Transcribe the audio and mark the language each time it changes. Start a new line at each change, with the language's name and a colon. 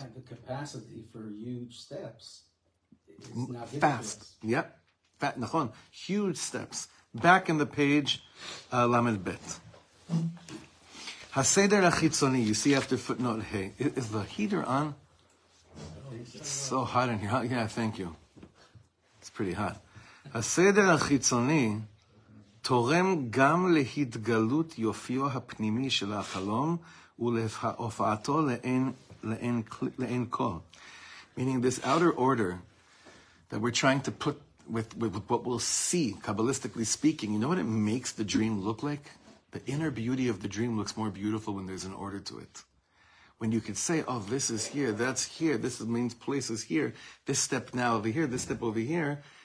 English: And the capacity for huge steps is not fast. Yep. Fat. Huge steps. Back in the page, Lamed Bet. Haseder Achitzoni, you see after footnote, hey, is the heater on? It's so hot in here. Yeah, thank you. It's pretty hot.
Hebrew: הסדר החיצוני תורם גם להתגלות יופיו הפנימי של החלום ולהופעתו לאין כל.
English: Meaning this outer order that we're trying to put with what we'll see, Kabbalistically speaking, you know what it makes the dream look like? The inner beauty of the dream looks more beautiful when there's an order to it. When you could say, oh, this is here, that's here, this means place is here, this step now over here, this step over here.